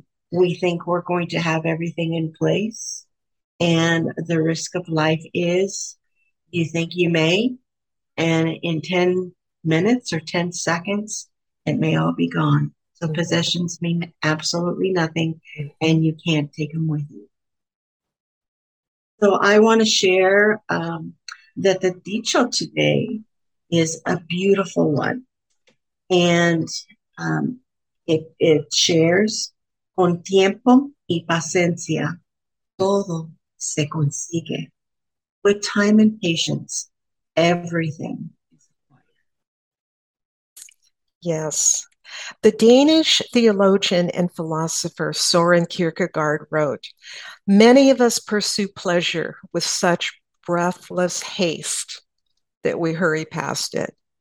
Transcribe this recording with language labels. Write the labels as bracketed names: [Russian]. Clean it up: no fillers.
[English] We think we're going to have everything in place, and the risk of life is you think you may, and in 10 minutes or 10 seconds, it may all be gone. So possessions mean absolutely nothing, and you can't take them with you. So I want to share that the dicho today is a beautiful one. And it shares, [Spanish] con tiempo y paciencia, todo se consigue. [English] With time and patience, everything is acquired. Yes. The Danish theologian and philosopher Søren Kierkegaard wrote, "Many of us pursue pleasure with such breathless haste that we hurry past it."